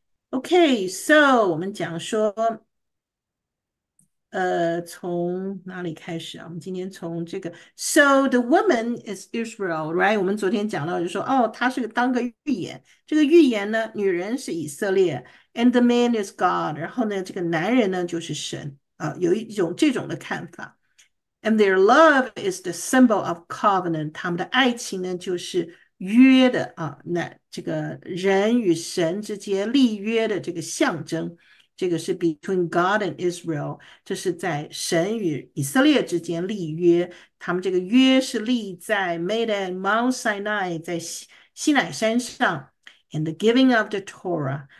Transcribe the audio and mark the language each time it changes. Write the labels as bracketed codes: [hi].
[zh] OK，so 我们讲说，从哪里开始啊？我们今天从这个， [en] So the woman is Israel，right？ [zh] 我们昨天讲到就说，哦，她是个当个预言。这个预言呢，女人是以色列， [en] and the man is God。 [zh] 然后呢，这个男人呢就是神啊，有一种这种的看法。 [en] And their love is the symbol of covenant。 [zh] 他们的爱情呢，就是约的啊，那这个人与神之间立约的这个象征。这个是 [en] between God and Israel， [zh] 这是在神与以色列之间立约。他们这个约是立在 [en] made at Mount Sinai， [zh] 在西乃山上， [en] and the giving of the Torah。